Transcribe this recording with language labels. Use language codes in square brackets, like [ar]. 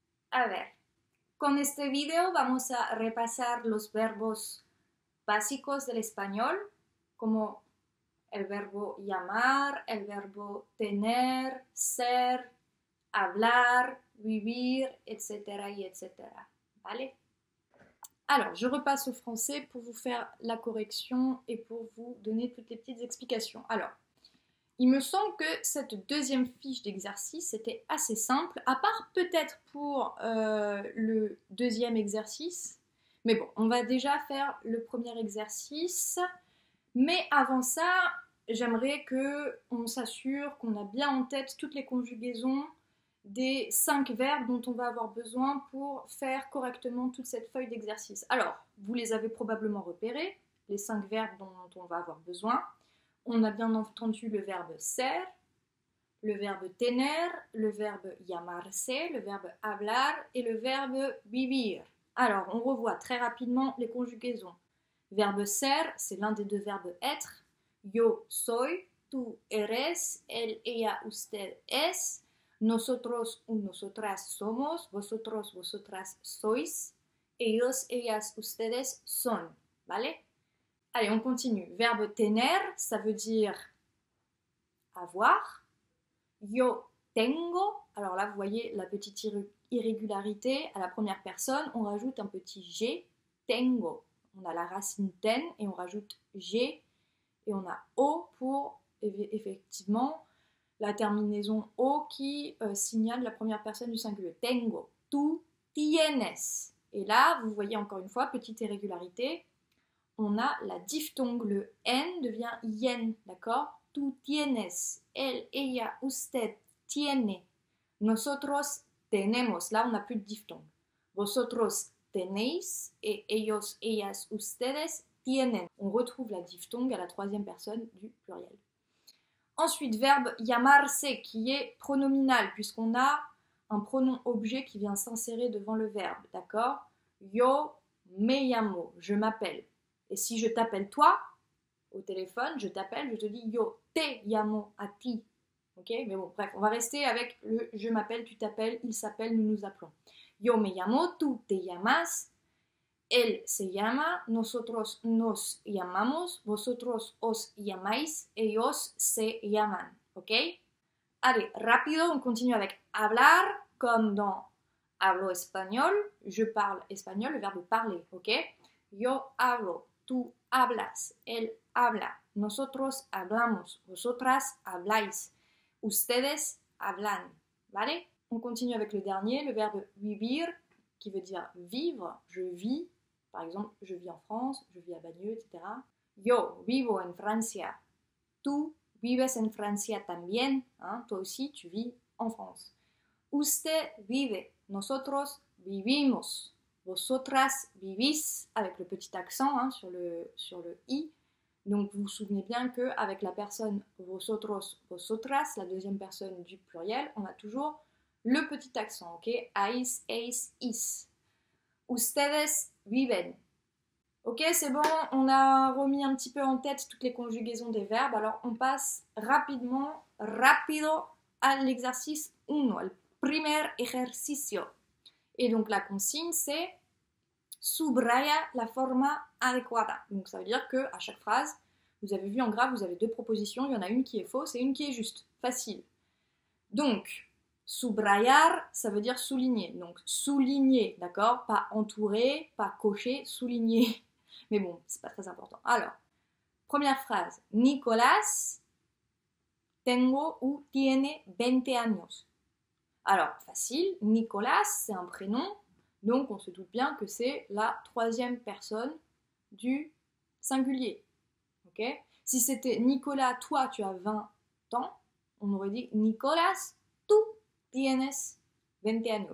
[es] A ver, con este video vamos a repasar los verbos básicos del español, como el verbo llamar, el verbo tener, ser, hablar, vivir, etcétera y etcétera. ¿Vale? [fr] Alors, je repasse au français pour vous faire la correction et pour vous donner toutes les petites explications. Alors, il me semble que cette deuxième fiche d'exercice était assez simple, à part peut-être pour le deuxième exercice. Mais bon, on va déjà faire le premier exercice. Mais avant ça, j'aimerais qu'on s'assure qu'on a bien en tête toutes les conjugaisons des cinq verbes dont on va avoir besoin pour faire correctement toute cette feuille d'exercice. Alors, vous les avez probablement repérés, les cinq verbes dont on va avoir besoin. On a bien entendu le verbe ser, le verbe tener, le verbe llamarse, le verbe hablar et le verbe vivir. Alors, on revoit très rapidement les conjugaisons. Verbe ser, c'est l'un des deux verbes être. [es] Yo soy, tú eres, él, ella, usted es. Nosotros ou nosotras somos, vosotros, vosotras sois. Ellos, ellas, ustedes son. ¿Vale? [fr] Allez, on continue. Verbe tener, ça veut dire avoir. [es] Yo tengo. [fr] Alors là, vous voyez la petite irrégularité à la première personne. On rajoute un petit G, tengo. On a la racine ten et on rajoute G et on a O pour effectivement la terminaison O qui signale la première personne du singulier. [es] Tengo, tú tienes. [fr] Et là, vous voyez encore une fois, petite irrégularité, on a la diphtongue. Le N devient yen, d'accord? [es] Tú tienes, él, ella, usted tiene. Nosotros tenemos, [fr] là on n'a plus de diphtongue. [es] Vosotros tenéis [fr] et [es] ellos, ellas, ustedes tienen. [fr] On retrouve la diphtongue à la troisième personne du pluriel. Ensuite, verbe llamarse qui est pronominal puisqu'on a un pronom objet qui vient s'insérer devant le verbe, d'accord? [es] Yo me llamo, [fr] je m'appelle. Et si je t'appelle toi au téléphone, je t'appelle, je te dis [es] yo te llamo a ti. [fr] Okay, mais bon, bref, on va rester avec le je m'appelle, tu t'appelles, il s'appelle, nous nous appelons. [es] Yo me llamo, tú te llamas, él se llama, nosotros nos llamamos, vosotros os llamáis, ellos se llaman. Ok? [fr] Allez, rápido, on continue avec hablar, comme dans [es] hablo español, [fr] je parle español, le verbe parler. Ok? [es] Yo hablo, tú hablas, él habla, nosotros hablamos, vosotras habláis. Ustedes hablan, ¿vale? [fr] On continue avec le dernier, le verbe vivir, qui veut dire vivre. Je vis, par exemple, je vis en France, je vis à Bagneux, etc. [es] Yo vivo en Francia. Tú vives en Francia también, hein? [fr] Toi aussi, tu vis en France. [es] Usted vive. Nosotros vivimos. Vosotras vivís, [fr] avec le petit accent, hein, sur le i. Donc, vous vous souvenez bien qu'avec la personne vosotros, vosotras, la deuxième personne du pluriel, on a toujours le petit accent, ok? [es] Eis, eis, is. Ustedes viven. [fr] Ok, c'est bon, on a remis un petit peu en tête toutes les conjugaisons des verbes. Alors, on passe rapidement, rapido, à l'exercice 1, le premier ejercicio. Et donc, la consigne, c'est [es] subraya la forma adecuada. [fr] Donc, ça veut dire qu'à chaque phrase, vous avez vu en gras, vous avez deux propositions. Il y en a une qui est fausse et une qui est juste. Facile. Donc, subrayar, ça veut dire souligner. Donc, souligner, d'accord? Pas entourer, pas cocher, souligner. Mais bon, c'est pas très important. Alors, première phrase. [es] Nicolas, tengo ou tiene 20 años. [fr] Alors, facile. Nicolas, c'est un prénom. Donc, on se doute bien que c'est la troisième personne du singulier. Okay? Si c'était Nicolas, toi, tu as 20 ans, on aurait dit [es] Nicolas, tú tienes 20 años.